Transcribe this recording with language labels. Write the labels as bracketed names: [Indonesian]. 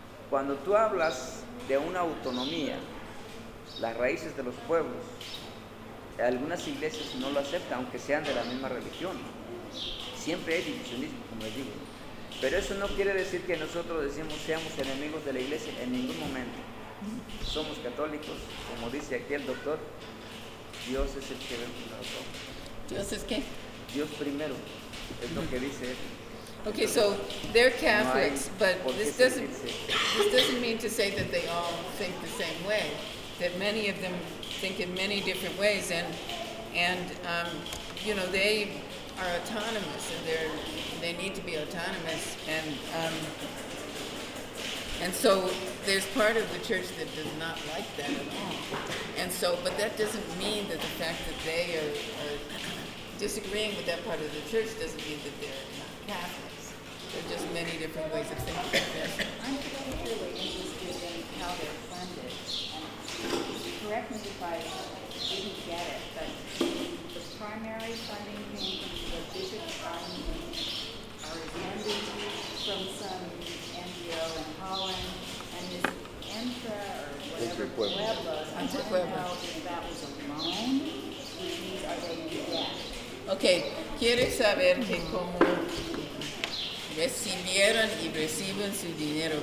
[Spanish] Cuando tú hablas de una autonomía, las raíces de los pueblos, algunas iglesias no lo aceptan, aunque sean de la misma religión, ¿no? Siempre hay divisionismo, como les digo. Pero eso no quiere decir que nosotros decimos seamos enemigos de la iglesia en ningún momento. Somos católicos, como dice aquí el doctor, Dios es el que vemos a nosotros. ¿Dios es qué? Dios primero, es lo que dice él. [English] Okay, so they're Catholics, but this doesn't mean to say that they all think the same way. That many of them think in many different ways, and they are autonomous, and they need to be autonomous, and so there's part of the church that does not like that at all, but that doesn't mean that the fact that they are disagreeing with that part of the church doesn't mean that they're not Catholics. There are just many different ways of thinking about this. I'm particularly interested in how they're funded. Correct me if I didn't get it, but the primary funding came from the Bishop are demanding from some NGO in Holland, and this Entra or whatever, Pueblo. That was a loan, which means are they in debt? [Spanish] Okay, ¿quieres saber que cómo recibieron y reciben su dinero?